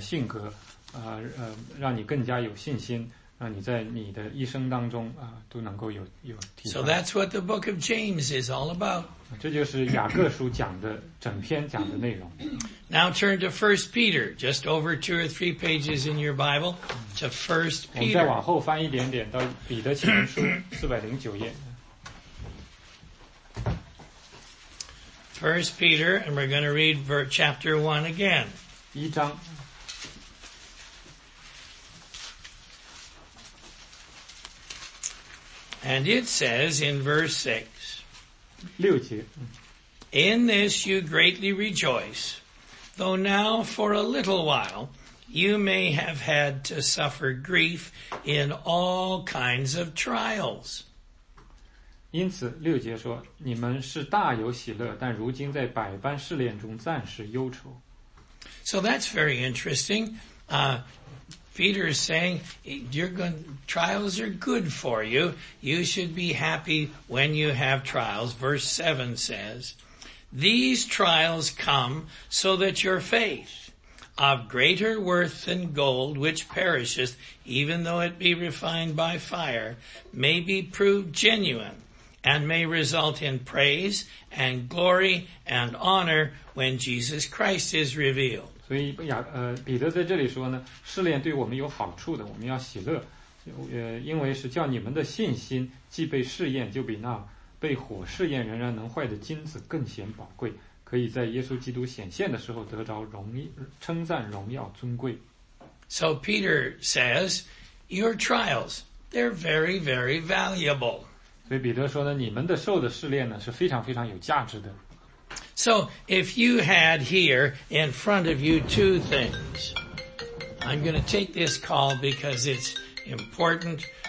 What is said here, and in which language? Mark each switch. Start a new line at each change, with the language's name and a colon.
Chinese: 所以当你在困难和试炼当中的时候，你要知道神借着这个正在熬炼你的性格，让你更加有信心。让你在你的一生当中都能够有提升。
English: So that's what the book of James is all about.
Chinese: 这就是雅各书讲的整篇讲的内容。
English: Now turn to 1 Peter, just over two or three pages in your Bible, to 1 Peter.
Chinese: 我们再往后翻一点点到彼得前书409页。
English: 1 Peter, and we're going to read chapter 1 again.
Chinese: 一章。
English: And it says in verse 6,
Chinese: 六节,
English: in this you greatly rejoice, though now for a little while you may have had to suffer grief in all kinds of trials.
Chinese: 因此六节说，你们是大有喜乐，但如今在百般试炼中暂时忧愁。
English: So that's very interesting. Peter is saying, trials are good for you. You should be happy when you have trials. Verse 7 says, these trials come so that your faith, of greater worth than gold, which perisheth, even though it be refined by fire, may be proved genuine, and may result in praise and glory and honor when Jesus Christ is revealed.
Chinese: 所以彼得在这里说呢，试炼对我们有好处的，我们要喜乐，因为是叫你们的信心既被试验，就比那被火试验仍然能坏的金子更显宝贵，可以在耶稣基督显现的时候得着荣称赞荣耀尊贵。
English: So Peter says, your trials, they're very, very valuable.
Chinese: 所以彼得说呢，你们的受的试炼呢是非常非常有价值的。
English: So, if you had here in front of you two things, I'm going to take this call because it's important.